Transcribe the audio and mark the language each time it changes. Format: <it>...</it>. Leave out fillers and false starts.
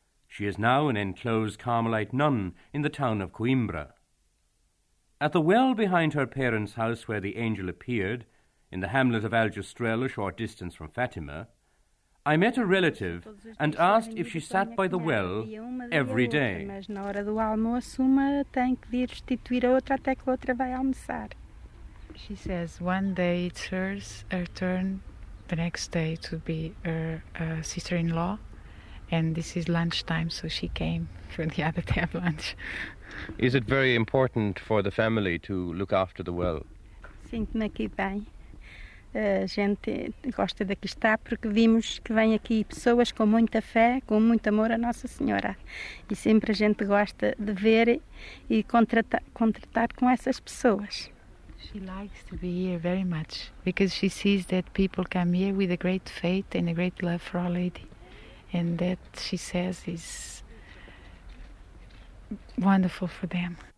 <en>She is now an enclosed Carmelite nun in the town of Coimbra. At the well behind her parents' house where the angel appeared, in the hamlet of Algestrel, a short distance from Fatima, I met a relative and asked if she sat by the well every day.</en> <pt>Mas na hora do almoço, uma tem que vir substituir a outra até que a outra vai almoçar.</pt> <en>She says one day it's her turn, the next day to be her sister-in-law, and this is lunchtime, so she came for the other day of lunch. Is it very important for the family to look after the well?</en> <pt>Sinto-me aqui bem. A gente gosta de aqui estar porque vimos que vêm aqui pessoas com muita fé, com muito amor à Nossa Senhora. E sempre a gente gosta de ver e contratar com essas pessoas.</pt> <en>She likes to be here very much because she sees that people come here with a great faith and a great love for Our Lady. And that, she says, is wonderful for them.</en>